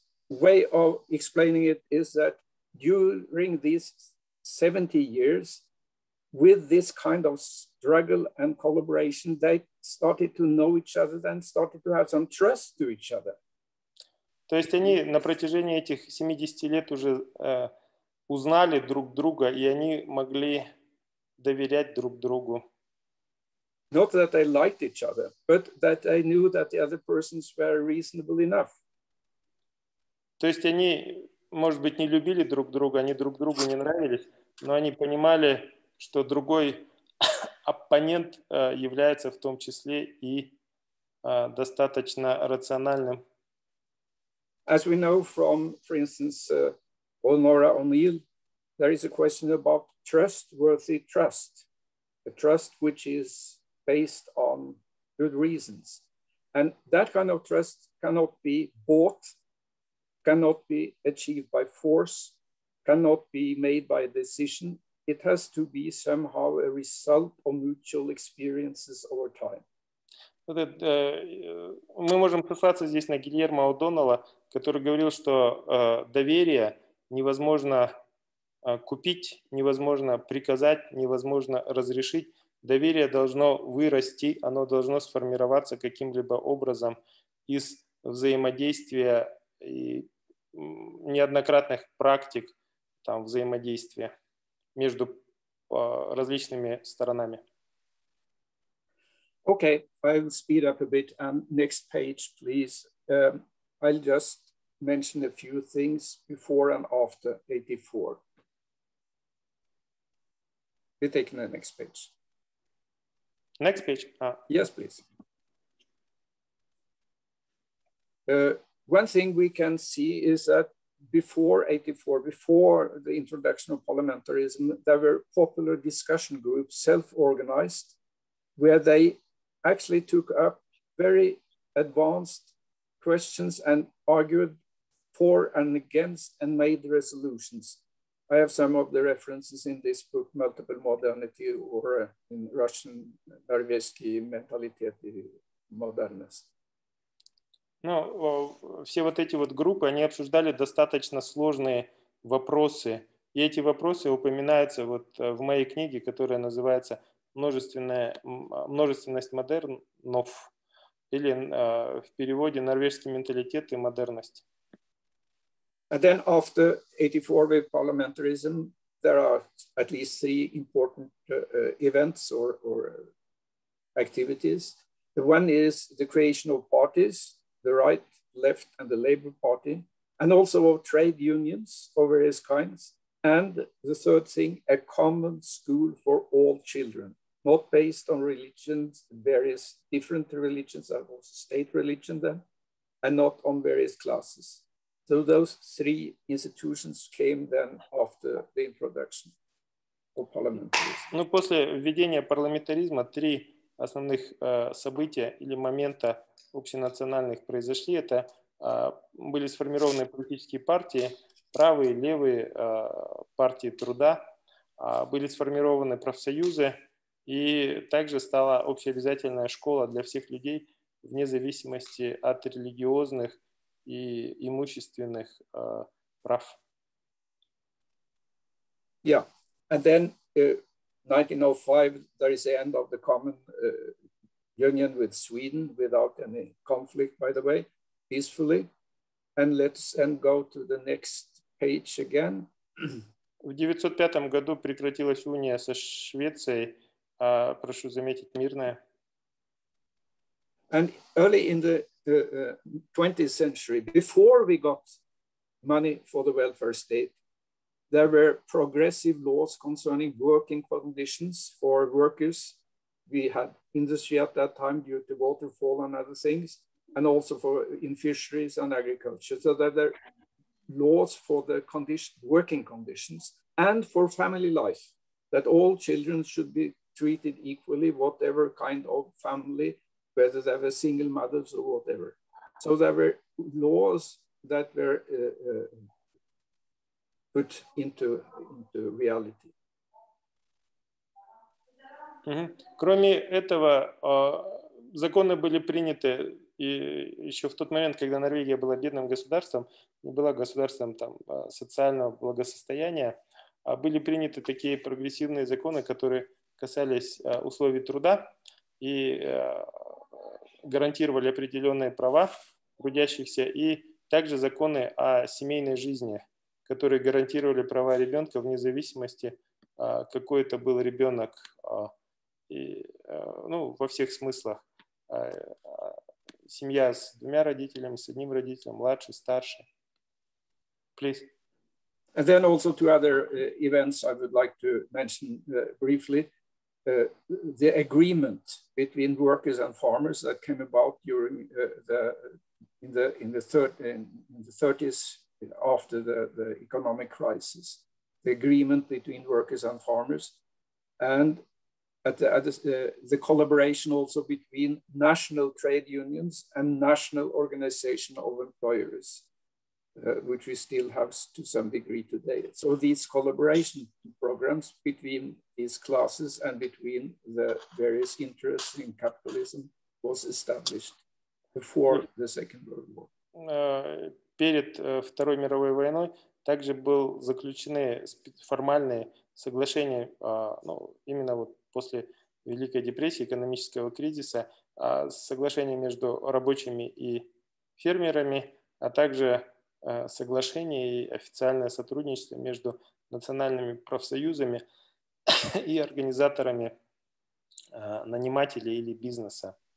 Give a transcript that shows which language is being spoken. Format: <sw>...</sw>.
<en>Way of explaining it is that during these 70 years, with this kind of struggle and collaboration, they started to know each other and started to have some trust to each other.</en> <ru>То есть они на протяжении этих 70 лет уже узнали друг друга, и они могли доверять друг другу.</ru> <en>Not that they liked each other, but that they knew that the other persons were reasonable enough.</en> <ru>То есть они, может быть, не любили друг друга, они друг другу не нравились, но они понимали, что другой оппонент является в том числе и достаточно рациональным.</ru> <en>As we know from, for instance, Olmora O'Neill, there is a question about trustworthy trust, a trust which is based on good reasons. And that kind of trust cannot be bought, cannot be achieved by force, cannot be made by a decision. It has to be somehow a result of mutual experiences over time.</en> <ru>Мы можем ссылаться здесь на Гильермо О'Доннелла, который говорил, что доверие невозможно купить, невозможно приказать, невозможно разрешить. Доверие должно вырасти, оно должно сформироваться каким-либо образом из взаимодействия и неоднократных практик там, взаимодействия между различными сторонами.</ru> <en>Okay, I'll speed up a bit and next page, please. I'll just mention a few things before and after 84. We take the next page. Next page. Yes, please. One thing we can see is that before 84, before the introduction of parliamentarism, there were popular discussion groups, self-organized, where they actually took up very advanced questions and argued for and against and made resolutions. I have some of the references in this book, Multiple Modernity, or in Russian, Dargesky, Mentalitet Modernist.</en> <ru>Ну, все вот эти вот группы, они обсуждали достаточно сложные вопросы. И эти вопросы упоминаются вот в моей книге, которая называется «Множественность модернов» или в переводе «Норвежский менталитет и модерность».</ru> <en>And then after 84 with parliamentarism, there are at least three important events or activities. The one is the creation of parties, the right, left, and the Labour Party, and also of trade unions of various kinds. And the third thing, a common school for all children, not based on religions, various different religions, and also state religion then, and not on various classes. So those three institutions came then after the introduction of parliamentarism.</en> <ru>Ну, после введения парламентаризма три основных события или момента общенациональных произошли. Это были сформированы политические партии, правые, левые партии труда, были сформированы профсоюзы, и также стала общеобязательная школа для всех людей, вне зависимости от религиозных и имущественных прав.</ru> <en>Yeah, and then 1905, there is the end of the common union with Sweden without any conflict, by the way, peacefully. And let's and go to the next page again.</en> <ru>В 1905 году прекратилась уния со Швецией, прошу заметить, мирная.</ru> <en>And early in the 20th century, before we got money for the welfare state, there were progressive laws concerning working conditions for workers. We had industry at that time due to waterfall and other things, and also for in fisheries and agriculture. So there were laws for the working conditions and for family life, that all children should be treated equally, whatever kind of family, whether they were single mothers or whatever. So there were laws that were put into reality. Mm-hmm.</en> <ru>Кроме этого, законы были приняты и еще в тот момент, когда Норвегия была бедным государством, не была государством там, социального благосостояния, а были приняты такие прогрессивные законы, которые касались условий труда и гарантировали определенные права трудящихся, и также законы о семейной жизни, которые гарантировали права ребенка вне зависимости, какой это был ребенок, и, ну, во всех смыслах. Семья с двумя родителями, с одним родителем, младший, старший.</ru> <en>Please. And then also two other events I would like to mention briefly. the agreement between workers and farmers that came about during the 30s after the economic crisis, the agreement between workers and farmers, and the collaboration also between national trade unions and national organization of employers, which we still have to some degree today. So these collaboration programs between these classes and between the various interests in capitalism was established before the Second World War.</en> <ru>Перед Второй мировой войной также был заключены формальные соглашения, ну, именно вот после Великой депрессии, экономического кризиса, соглашения между рабочими и фермерами, а также соглашение и официальное сотрудничество между национальными профсоюзами и организаторами нанимателей или бизнеса.</ru>